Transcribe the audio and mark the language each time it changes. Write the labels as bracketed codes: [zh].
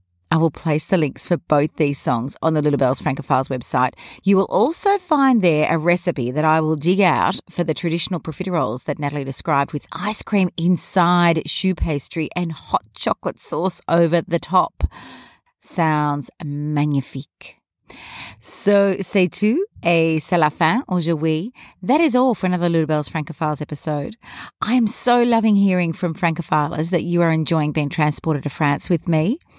[en] I will place the links for both these songs on the Little Bells Francophiles website. You will also find there a recipe that I will dig out for the traditional profiteroles that Natalie described, with ice cream inside, choux pastry and hot chocolate sauce over the top. Sounds magnifique. [fr] So c'est tout et c'est la fin aujourd'hui. [en] That is all for another Little Bells Francophiles episode. I am so loving hearing from Francophiles that you are enjoying being transported to France with me.